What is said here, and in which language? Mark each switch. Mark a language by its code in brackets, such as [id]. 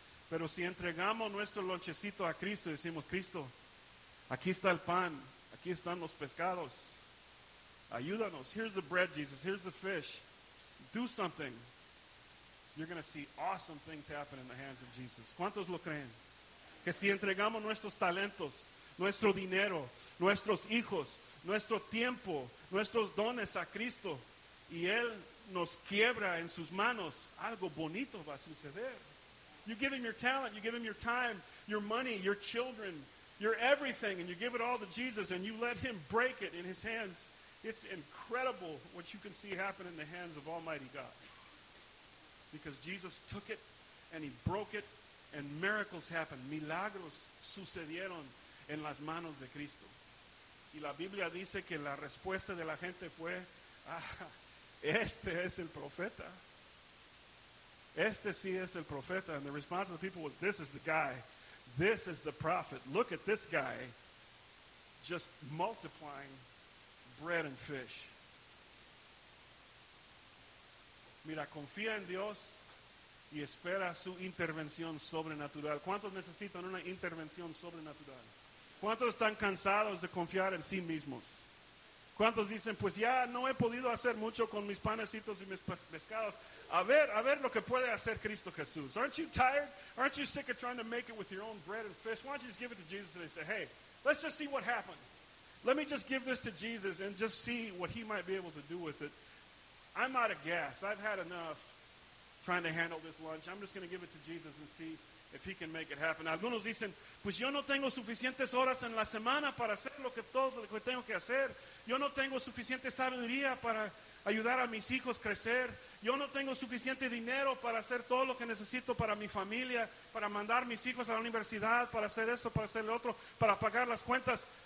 [es] Pero si entregamos nuestro lonchecito a Cristo, decimos, Cristo, aquí está el pan. Aquí están los pescados. Ayúdanos. [en] Here's the bread, Jesus. Here's the fish. Do something. You're going to see awesome things happen in the hands of Jesus. [es] ¿Cuántos lo creen? Que si entregamos nuestros talentos, nuestro dinero, nuestros hijos, nuestro tiempo, nuestros dones a Cristo, y Él nos quiebra en sus manos, algo bonito va a suceder. [en] You give Him your talent, you give Him your time, your money, your children, your everything, and you give it all to Jesus, and you let Him break it in His hands. It's incredible what you can see happen in the hands of Almighty God. Because Jesus took it, and He broke it, and miracles happened. [es] Milagros sucedieron en las manos de Cristo. Y la Biblia dice que la respuesta de la gente fue, ah, este es el profeta. Este sí es el profeta. [en] And the response of the people was, this is the guy. This is the prophet. Look at this guy just multiplying bread and fish. [es] Mira, confía en Dios y espera su intervención sobrenatural. ¿Cuántos necesitan una intervención sobrenatural? ¿Cuántos están cansados de confiar en sí mismos? ¿Cuántos dicen, pues ya no he podido hacer mucho con mis panecitos y mis pescados? A ver lo que puede hacer Cristo Jesús. [en] Aren't you tired? Aren't you sick of trying to make it with your own bread and fish? Why don't you just give it to Jesus and say, hey, let's just see what happens. Let me just give this to Jesus and just see what He might be able to do with it. I'm out of gas. I've had enough trying to handle this lunch. I'm just going to give it to Jesus and see if He can make it happen. [es] Algunos dicen, pues yo no tengo suficientes horas en la semana para hacer lo que tengo que hacer. Yo no tengo suficiente sabiduría para ayudar a mis hijos a crecer. Yo no tengo suficiente dinero para hacer todo lo que necesito para mi familia, para mandar mis hijos a la universidad, para hacer esto, para hacer lo otro, para pagar las cuentas.